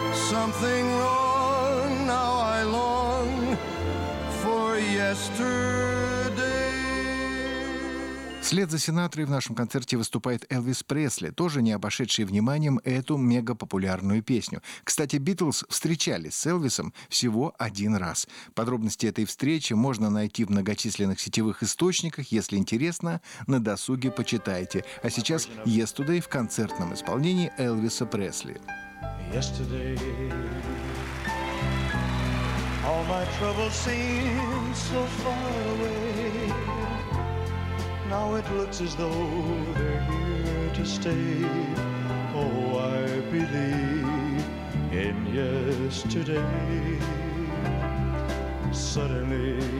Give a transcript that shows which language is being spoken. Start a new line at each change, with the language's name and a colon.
English: Something wrong, now I long for yesterday.
Russian: Вслед за Синатрой в нашем концерте выступает Элвис Пресли, тоже не обошедший вниманием эту мегапопулярную песню. Кстати, Битлз встречались с Элвисом всего один раз. Подробности этой встречи можно найти в многочисленных сетевых источниках. Если интересно, на досуге почитайте. А сейчас «Yesterday» в концертном исполнении Элвиса Пресли.
English: Yesterday, all my troubles seem so far away. Now it looks as though they're here to stay. Oh, I believe in yesterday. Suddenly,